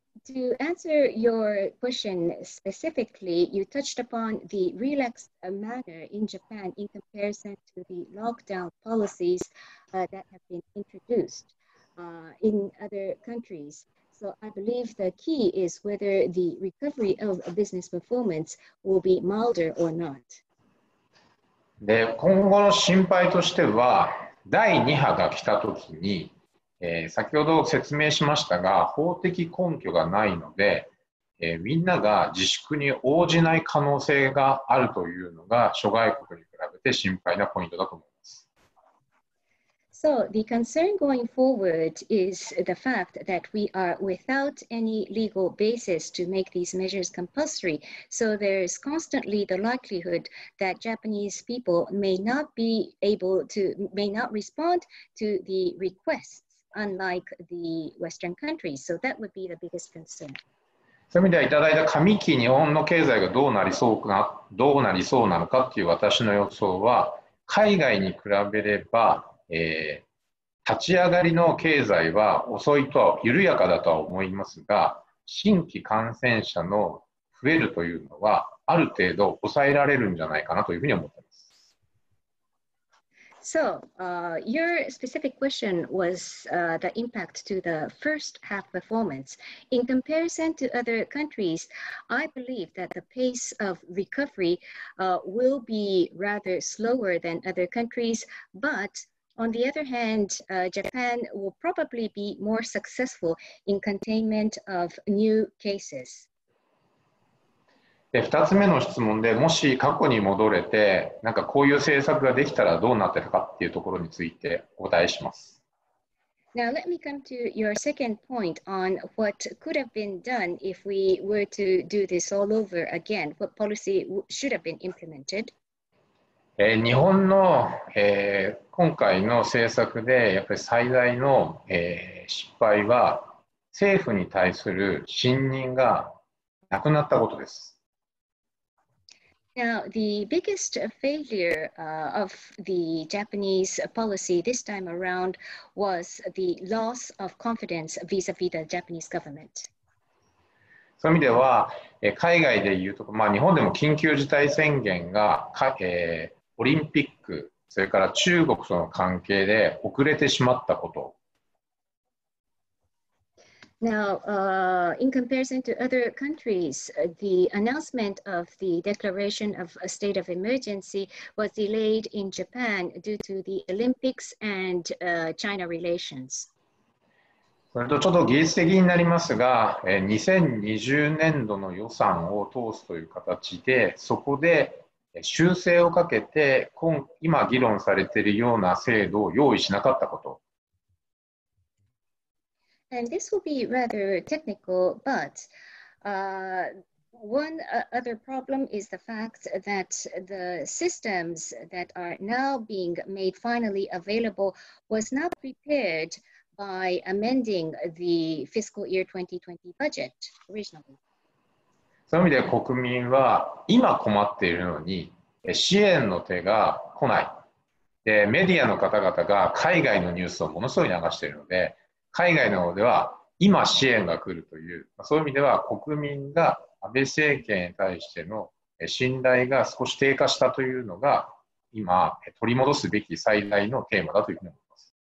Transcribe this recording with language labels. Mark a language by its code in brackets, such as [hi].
[en] To answer your question specifically, you touched upon the relaxed manner in Japan in comparison to the lockdown policies that have been introduced in other countries. So I believe the key is whether the recovery of business performance will be milder or not. [ja] で、今後の心配としては、第2波が来た時に、先ほど説明しましたが、法的根拠がないので、みんなが自粛に応じない可能性があるというのが諸外国に比べて心配なポイントだと思います。 [en] So, the concern going forward is the fact that we are without any legal basis to make these measures compulsory. So, there is constantly the likelihood that Japanese people may not be able to, may not respond to the requests. Unlike the Western countries, so that would be the biggest concern. [ja] そういう意味ではいただいた上期日本の経済がどうなりそうなのかっていう私の予想は、海外に比べれば、立ち上がりの経済は遅いとは緩やかだとは思いますが、新規感染者の増えるというのはある程度抑えられるんじゃないかなというふうに思っています。 [en] So, your specific question was the impact to the first half performance. In comparison to other countries, I believe that the pace of recovery will be rather slower than other countries. But on the other hand, Japan will probably be more successful in containment of new cases. [ja] 2つ目の質問で、もし過去に戻れて、なんかこういう政策ができたらどうなってたかっていうところについてお答えします。 [en] Now, let me come to your second point on what could have been done if we were to do this all over again. What policy should have been implemented? [ja] 日本の、今回の政策で、やっぱり最大の、失敗は、政府に対する信任がなくなったことです。 [en] Now, the biggest failure of the Japanese policy this time around was the loss of confidence vis-à-vis the Japanese government. [ja] そういう意味では、海外でいうと、まあ、日本でも緊急事態宣言が、オリンピック、それから中国との関係で遅れてしまったこと。 [en] Now, in comparison to other countries, the announcement of the declaration of a state of emergency was delayed in Japan due to the Olympics and China relations. [ja] それとちょっと技術的になりますが、2020年度の予算を通すという形で、そこで修正をかけて、今議論されているような制度を用意しなかったこと。 [en] And this will be rather technical, but one other problem is the fact that the systems that are now being made finally available was not prepared by amending the fiscal year 2020 budget originally. [ja] そういう意味で国民は今困っているのに支援の手が来ない。で、メディアの方々が海外のニュースをものすごい流しているので、海外の方では今支援が来るという、そういう意味では国民が安倍政権に対しての信頼が少し低下したというのが今取り戻すべき最大のテーマだというふうに思います。